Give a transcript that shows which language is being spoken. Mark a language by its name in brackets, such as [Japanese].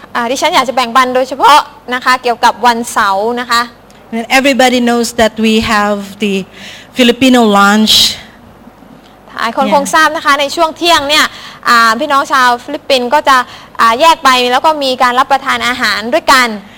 [Thai] ดิฉันอยากจะแบ่งปันโดยเฉพาะนะคะเกี่ยวกับวันเสาร์นะคะ [English] And everybody knows that we have the Filipino lunch. [Thai] หลายคนคงทราบนะคะในช่วงเที่ยงเนี่ยพี่น้องชาวฟิลิปปินส์ก็จะแยกไปแล้วก็มีการรับประทานอาหารด้วยกัน